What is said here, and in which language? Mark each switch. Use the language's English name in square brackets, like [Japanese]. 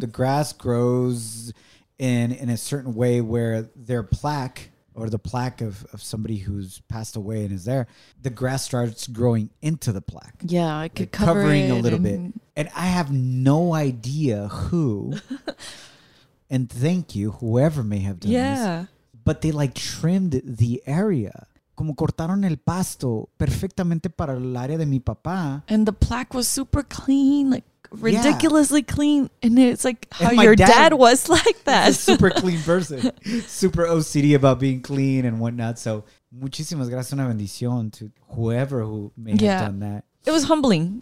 [English] the grass grows in a certain way where their plaque, or the plaque of somebody who's passed away and is there, the grass starts growing into the plaque. Yeah, I could, like, cover covering it a little bit. And I have no idea who, and thank you, whoever may have done this, but they like trimmed the area. [Spanish] Como cortaron el pasto perfectamente para el área de mi papá. [English] And the plaque was super clean, like, ridiculously clean. And it's like how your dad was like that. Super clean person. Super OCD about being clean and whatnot. So, [Spanish] muchísimas gracias, una bendición [English] to whoever who may have done that. It was humbling.